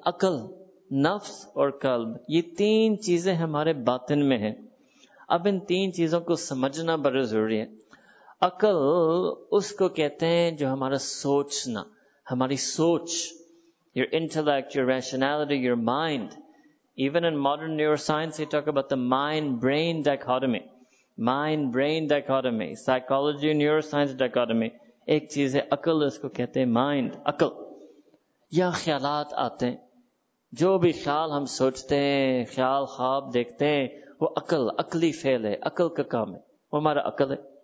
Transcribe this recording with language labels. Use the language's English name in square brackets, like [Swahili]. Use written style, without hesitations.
[Urdu] عقل, نفس اور قلب, یہ تین چیزیں ہمارے باطن میں ہیں. اب ان تین چیزوں کو سمجھنا بڑا ضروری ہے. عقل اس کو کہتے ہیں جو ہمارا سوچنا, ہماری سوچ, [English] your intellect, your rationality, your mind. Even in modern neuroscience, they talk about the mind-brain dichotomy. Mind-brain dichotomy, psychology, neuroscience dichotomy. [Urdu] ایک چیز ہے عقل, اس کو کہتے ہیں مائنڈ, عقل. یا خیالات آتے ہیں, جو بھی خیال ہم سوچتے ہیں, خیال خواب دیکھتے ہیں, وہ عقل, عقلی فعل ہے, عقل کا کام ہے, وہ ہمارا عقل ہے.